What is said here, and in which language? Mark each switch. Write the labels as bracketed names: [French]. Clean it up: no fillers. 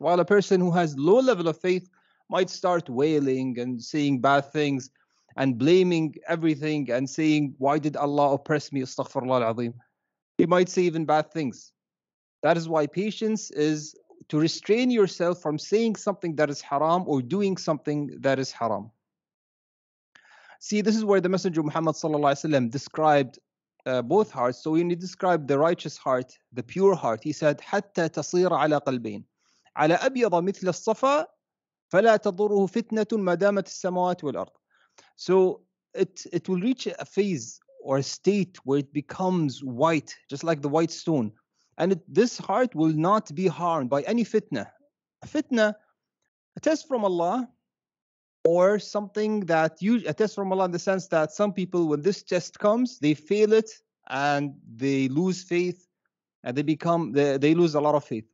[English] While a person who has low level of faith might start wailing and saying bad things and blaming everything and saying, why did Allah oppress me? Astaghfirullah al-Azim. He might say even bad things. That is why patience is to restrain yourself from saying something that is haram or doing something that is haram. See, this is where the Messenger Muhammad sallallahu alaihi wasallam described both hearts. So when he described the righteous heart, the pure heart, he said, [Arabic] حَتَّى تَصِيرَ عَلَى قَلْبَيْنِ عَلَى أَبْيَضَ مِثْلَ الصَّفَى فَلَا تَضُرُهُ فِتْنَةٌ مَدَامَةِ السَّمَوَاتِ وَالْأَرْضِ. [English] So it will reach a phase or a state where it becomes white, just like the white stone. And this heart will not be harmed by any fitna. A fitna, a test from Allah, or something that you, a test from Allah in the sense that some people, when this test comes, they fail it and they lose faith and they lose a lot of faith.